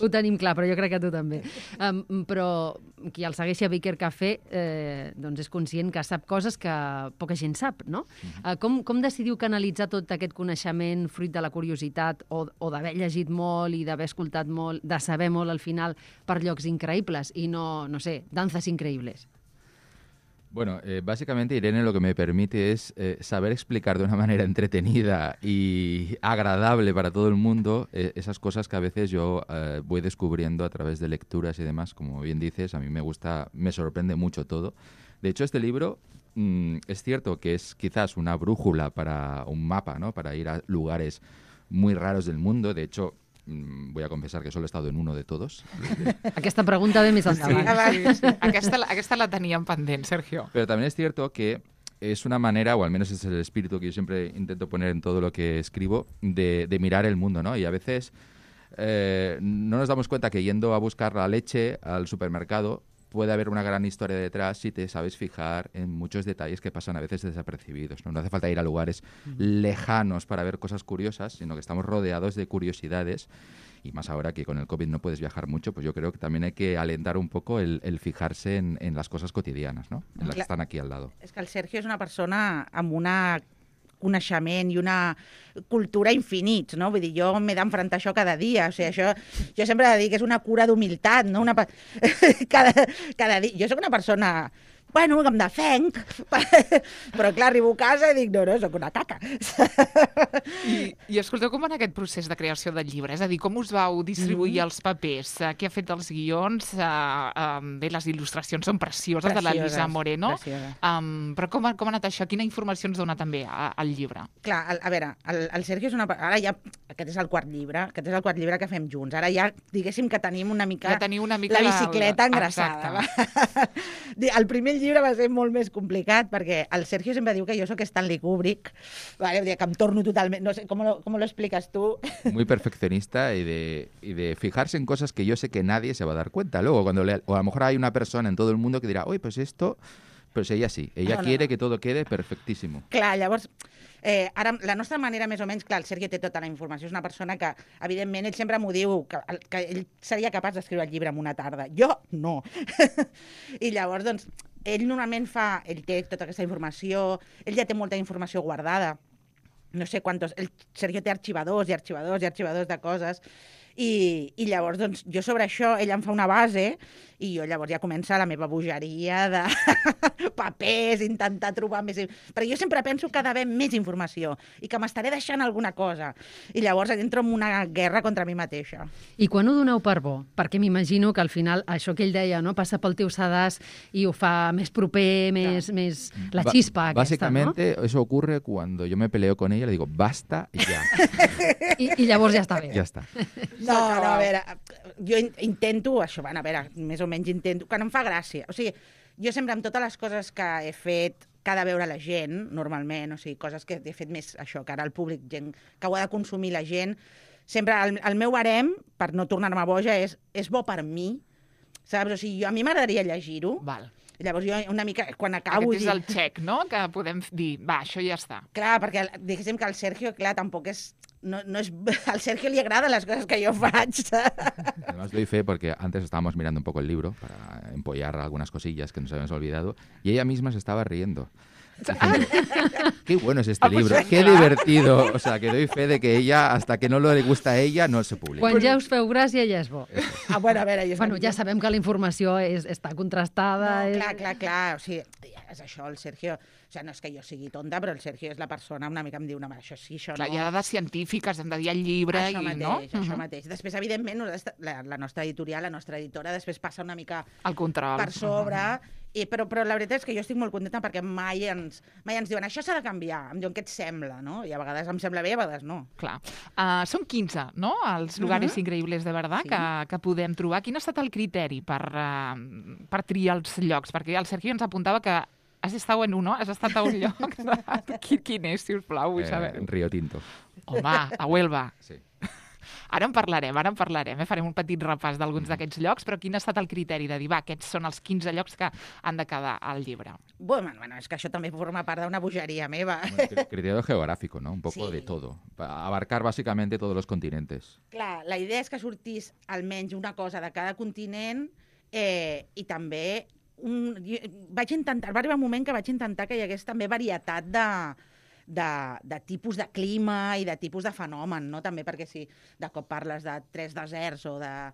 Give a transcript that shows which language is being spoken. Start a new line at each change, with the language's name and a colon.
Catalan: Ho tenim clar, però jo crec que tu també. Però qui el segueixi a Baker Café doncs és conscient que sap coses que poca gent sap, no? Com decidiu canalitzar tot aquest coneixement fruit de la curiositat o d'haver llegit molt i d'haver escoltat molt, de saber molt al final per llocs increïbles i no sé, danses increïbles?
Spanish: Bueno, básicamente Irene lo que me permite es saber explicar de una manera entretenida y agradable para todo el mundo esas cosas que a veces yo voy descubriendo a través de lecturas y demás. Como bien dices, a mí me gusta, me sorprende mucho todo. De hecho, este libro es cierto que es quizás una brújula para un mapa, ¿no? Para ir a lugares muy raros del mundo. De hecho... Voy a confesar que solo he estado en uno de todos.
Catalan: Aquesta pregunta ve més endavant. Sí. Aquesta la tenia en pendent, Sergio.
Spanish: Pero también es cierto que es una manera, o al menos es el espíritu que yo siempre intento poner en todo lo que escribo, de mirar el mundo, ¿no? Y a veces no nos damos cuenta que yendo a buscar la leche al supermercado, puede haber una gran historia detrás si te sabes fijar en muchos detalles que pasan a veces desapercibidos, ¿no? No hace falta ir a lugares lejanos para ver cosas curiosas, sino que estamos rodeados de curiosidades. Y más ahora que con el COVID no puedes viajar mucho, pues yo creo que también hay que alentar un poco el fijarse en las cosas cotidianas, ¿no? En las que están aquí al lado.
Catalan: Es que el Sergio es una persona amb una... coneixement i una cultura infinits, no? Vull dir, jo m'he d'enfrontar això cada dia, o sigui, això, jo sempre dic que és una cura d'humilitat, no? Cada dia, jo sóc una persona, bueno, que em defenc, però clar, arribo a casa i dic, no, sóc una caca. I escolteu, com va aquest procés de creació del llibre? És a dir, com us vau distribuir els papers? Què ha fet els guions? Bé, les il·lustracions són precioses, de la Lisa Moreno. Però com ha anat això? Quina informació ens dona també al llibre? Clar, a veure, el Sergio és una... Ara ja, aquest és el quart llibre que fem junts. Ara ja, diguéssim que tenim una mica... Ja teniu una mica... La bicicleta engraçada. El primer el llibre va ser molt més complicat perquè el Sergio sempre diu que jo sóc Stanley Kubrick, vale, que em torno totalment, no sé com lo expliques tu.
Spanish: Muy perfeccionista y de fijarse en cosas que yo sé que nadie se va a dar cuenta. Luego cuando o a lo mejor hay una persona en todo el mundo que dirá, "Oye, pues esto, pues ella sí, ella no, quiere no. que todo quede perfectísimo."
Catalan: Clar, llavors ara la nostra manera més o menys, clar, el Sergio té tota la informació, és una persona que evidentment ell sempre m'ho diu que ell seria capaç d'escriure el llibre en una tarda. Jo no. I llavors doncs ell normalment fa, ell té tota aquesta informació, ell ja té molta informació guardada, no sé quantos, el Sergio té arxivadors i arxivadors i arxivadors de coses, i llavors doncs, jo sobre això, ell em fa una base, i jo llavors ja comença la meva bogeria de papers, intentar trobar més... Però jo sempre penso que ha d'haver més informació, i que m'estaré deixant alguna cosa, i llavors entro en una guerra contra mi mateixa. I quan ho doneu per bo? Perquè m'imagino que al final, això que ell deia, no? Passa pel teu sedàs i ho fa més proper, més, ja. Més... la xispa aquesta,
Spanish: básicamente, no? Eso ocurre cuando yo me peleo con ella, le digo, basta, ya.
Catalan: I llavors ja està bé. Ja està. No, a veure, jo intento, això, bueno, a veure, més o menys intento, que no em fa gràcia. O sigui, jo sempre amb totes les coses que he fet, que ha de veure la gent, normalment, o sigui, coses que he fet més això, que ara el públic, gent que ho ha de consumir la gent, sempre el meu harem, per no tornar-me boja, és bo per mi, saps? O sigui, jo, a mi m'agradaria llegir-ho. Val. Llavors jo una mica, quan acabo... Aquest és el check, no?, que podem dir, va, això ja està. Clar, perquè diguéssim que el Sergio, clar, tampoc és...
Spanish: No es al Sergio le agradan las cosas que yo faig. Además doy fe porque antes estábamos mirando un poco el libro para empollar algunas cosillas que nos habíamos olvidado y ella misma se estaba riendo. Qué bueno es este libro, qué divertido. O sea, que doy fe de que ella, hasta que no lo le gusta a ella, no se publica.
Catalan: Quan ja us feu gràcia, ja és bo. Ah, bueno, a veure, jo... Bueno, ja sabem que la informació està contrastada. No, clar. O sigui, és això, el Sergio... O sigui, no és que jo sigui tonta, però el Sergio és la persona una mica em diu, no, això sí, això no. Clar, hi ha dades científiques, hem de dir el llibre... Això mateix, i, no? Això mateix. Després, evidentment, la nostra editorial, la nostra editora, després passa una mica... El control. Per sobre... Però la veritat és que jo estic molt contenta perquè mai ens diuen això s'ha de canviar, em diuen què et sembla, no? I a vegades em sembla bé, a vegades no. Clar. Són 15, no?, els lugares increïbles
Spanish: de verdad,
Catalan: sí. que podem trobar. Quin ha estat el criteri per triar els llocs? Perquè el Sergio ens apuntava que has estat en un, has estat a un lloc. Quin és, si us plau, vull saber. Río Tinto. Home, a Huelva. Sí. Ara en parlarem. Farem un petit repàs d'alguns d'aquests llocs, però quin ha estat el criteri de dir, va, aquests són els 15 llocs que han de quedar al llibre? Bueno, és que això també forma part d'una bogeria meva.
Spanish: Bueno, criterio geográfico, ¿no? Un poco sí. De todo. Abarcar básicamente todos los continentes.
Catalan: Clar, la idea és que sortís almenys una cosa de cada continent i també va arribar un moment que vaig intentar que hi hagués també varietat de tipus de clima i de tipus de fenomen, no? També perquè si de cop parles de tres deserts o de...